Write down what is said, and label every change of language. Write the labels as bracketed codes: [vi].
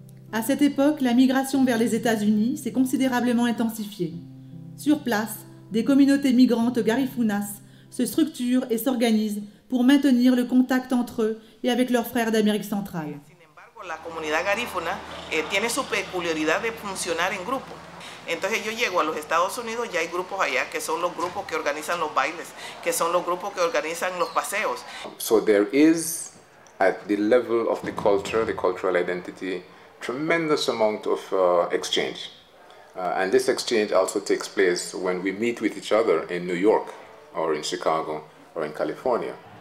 [fr] A cette époque, la migration vers les États-Unis s'est considérablement intensifiée. Sur place, des communautés migrantes garifunas se structurent et s'organisent pour maintenir le contact entre eux et avec leurs frères d'Amérique centrale. [es] Sin embargo, la comunidad garífuna tiene su peculiaridad de funcionar en grupo. Entonces yo llego a los Estados Unidos, ya hay grupos allá que son los grupos que organizan los bailes, que son los grupos que organizan los paseos. [en] So there is at the level of the cultural identity, tremendous amount of exchange. And this exchange also takes place when we meet with each other in New York, or in Chicago, or in California.